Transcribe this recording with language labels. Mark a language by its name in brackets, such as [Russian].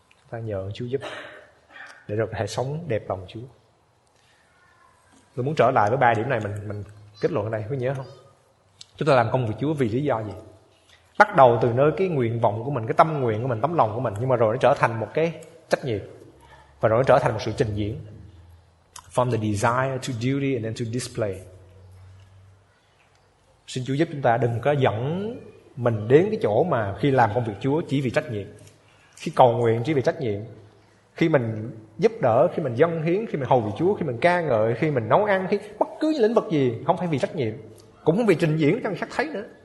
[Vietnamese] Ta nhờ Chúa giúp để rồi có thể sống đẹp lòng Chúa. Tôi muốn trở lại với ba điểm này, mình kết luận ở đây, có nhớ không? Chúng ta làm công việc Chúa vì lý do gì? Bắt đầu từ nơi cái nguyện vọng của mình, cái tâm nguyện của mình, tấm lòng của mình, nhưng mà rồi nó trở thành một cái trách nhiệm, và rồi nó trở thành một sự trình diễn. [English] From the desire to duty and then to display. [Vietnamese] Xin Chúa giúp chúng ta đừng có dẫn mình đến cái chỗ mà khi làm công việc Chúa chỉ vì trách nhiệm, khi cầu nguyện chỉ vì trách nhiệm, khi mình giúp đỡ, khi mình dâng hiến, khi mình hầu vì Chúa, khi mình ca ngợi, khi mình nấu ăn, khi bất cứ những lĩnh vực gì không phải vì trách nhiệm, cũng không vì trình diễn cho người khác thấy nữa.